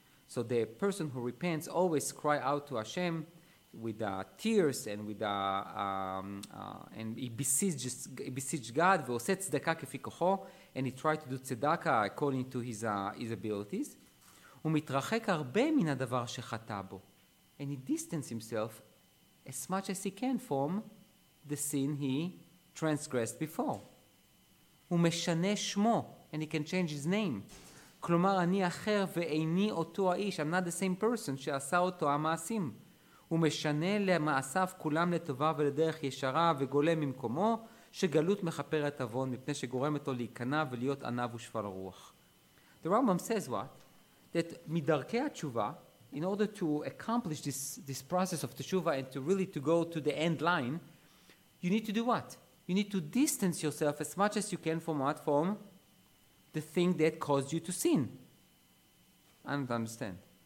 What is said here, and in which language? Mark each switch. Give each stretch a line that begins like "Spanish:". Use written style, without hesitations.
English: So the person who repents always cry out to Hashem with tears and with and he besieged God,
Hebrew: ve'oseh tzedakah kefi kocho,
English: and he tried to do tzedakah according to his abilities.
Hebrew: Umitrachek harbe min hadavar shechata bo,
English: and he distanced himself as much as he can from the sin he transgressed before.
Hebrew: Umeshane shmo,
English: and he can change his name.
Hebrew: כלומר אני אחר ואיני אותו האיש.
English: I'm not the same person
Hebrew: שעשה אותו המעשים. הוא משנה למעשיו כולם לטובה ולדרך ישרה וגולה ממקומו, שגלות מחפרת אבון מפני שגורמת לו להיכנע ולהיות ענב ושפל רוח.
English: The Rambam says what? That
Hebrew: מדרכי התשובה,
English: in order to accomplish this process of teshuva and to really to go to the end line, you need to do what? You need to distance yourself as much as you can from what? From the thing that caused you to sin. I don't understand.